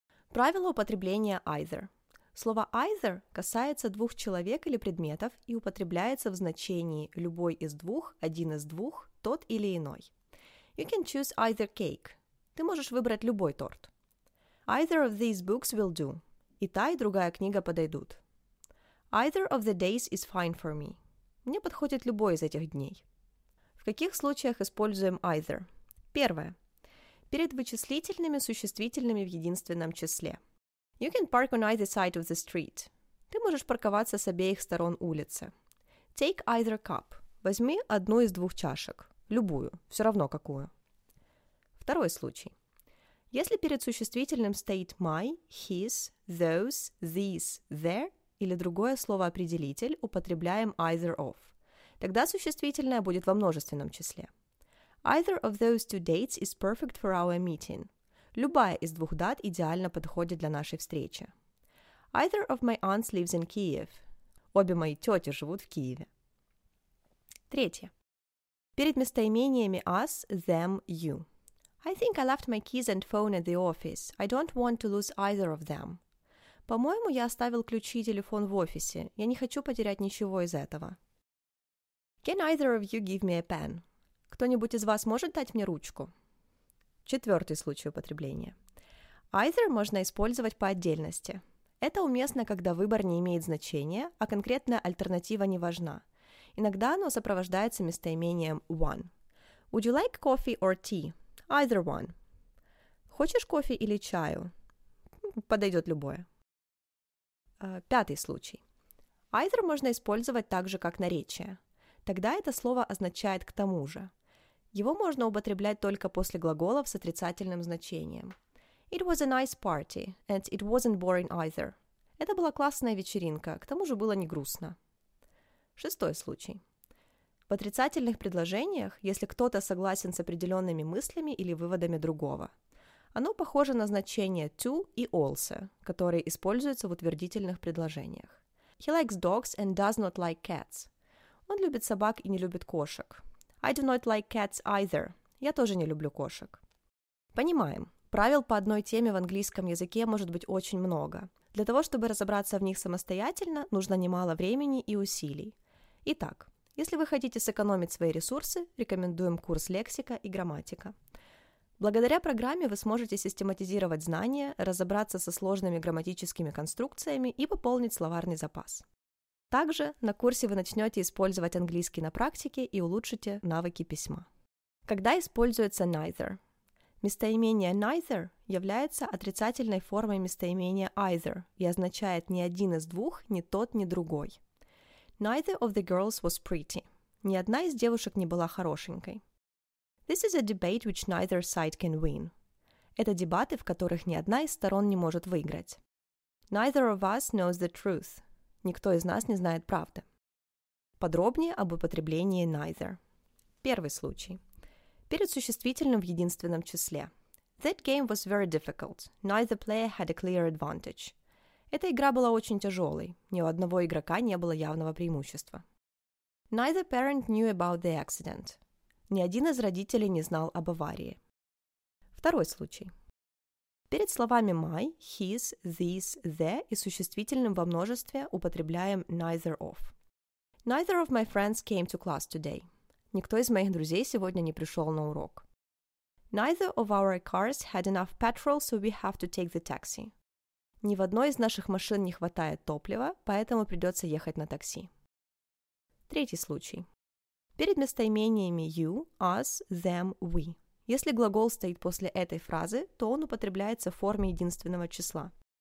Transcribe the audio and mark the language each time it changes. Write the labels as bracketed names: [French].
[Russian] Правило употребления either. Слово either касается двух человек или предметов и употребляется в значении любой из двух, один из двух, тот или иной. [English] You can choose either cake. [Russian] Ты можешь выбрать любой торт. [English] Either of these books will do. [Russian] И та, и другая книга подойдут. [English] Either of the days is fine for me. [Russian] Мне подходит любой из этих дней. В каких случаях используем either? Первое. Перед вычислительными существительными в единственном числе. [English] You can park on either side of the street. [Russian] Ты можешь парковаться с обеих сторон улицы. [English] Take either cup. [Russian] Возьми одну из двух чашек. Любую, все равно какую. Второй случай. Если перед существительным стоит my, his, those, these, their или другое слово-определитель, употребляем either of. Тогда существительное будет во множественном числе. [English] Either of those two dates is perfect for our meeting. [Russian] Любая из двух дат идеально подходит для нашей встречи. [English] Either of my aunts lives in Kiev. [Russian] Обе мои тети живут в Киеве. Третье. Перед местоимениями us, them, you. [English] I think I left my keys and phone at the office. I don't want to lose either of them. [Russian] По-моему, я оставил ключи и телефон в офисе. Я не хочу потерять ничего из этого. [English] Can either of you give me a pen? [Russian] Кто-нибудь из вас может дать мне ручку? Четвертый случай употребления. Either можно использовать по отдельности. Это уместно, когда выбор не имеет значения, а конкретная альтернатива не важна. Иногда оно сопровождается местоимением one. [English] Would you like coffee or tea? Either one. [Russian] Хочешь кофе или чаю? Подойдет любое. Пятый случай. Either можно использовать так же, как наречие. Тогда это слово означает «к тому же». Его можно употреблять только после глаголов с отрицательным значением. [English] It was a nice party, and it wasn't boring either. [Russian] Это была классная вечеринка, к тому же было не грустно. Шестой случай. В отрицательных предложениях, если кто-то согласен с определенными мыслями или выводами другого. Оно похоже на значение to и also, которые используются в утвердительных предложениях. [English] He likes dogs and does not like cats. [Russian] Он любит собак и не любит кошек. [English] I do not like cats either. [Russian] Я тоже не люблю кошек. Понимаем, правил по одной теме в английском языке может быть очень много. Для того, чтобы разобраться в них самостоятельно, нужно немало времени и усилий. Итак, если вы хотите сэкономить свои ресурсы, рекомендуем курс «Лексика и грамматика». Благодаря программе вы сможете систематизировать знания, разобраться со сложными грамматическими конструкциями и пополнить словарный запас. Также на курсе вы начнете использовать английский на практике и улучшите навыки письма. Когда используется neither? Местоимение neither является отрицательной формой местоимения either и означает ни один из двух, ни тот, ни другой. [English] Neither of the girls was pretty. [Russian] Ни одна из девушек не была хорошенькой. [English] This is a debate which neither side can win. [Russian] Это дебаты, в которых ни одна из сторон не может выиграть. [English] Neither of us knows the truth. [Russian] Никто из нас не знает правды. Подробнее об употреблении neither. Первый случай. Перед существительным в единственном числе. [English] That game was very difficult. Neither player had a clear advantage. [Russian] Эта игра была очень тяжелой. Ни у одного игрока не было явного преимущества. [English] Neither parent knew about the accident. [Russian] Ни один из родителей не знал об аварии. Второй случай. перед словами my, his, this, their и существительным во множестве употребляем neither of. [English] Neither of my friends came to class today. [Russian] Никто из моих друзей сегодня не пришел на урок. [English] Neither of our cars had enough petrol, so we have to take the taxi. [Russian] Ни в одной из наших машин не хватает топлива, поэтому придется ехать на такси. Третий случай. Перед местоимениями you, us, them, we. Если глагол стоит после этой фразы, то он употребляется в форме единственного числа.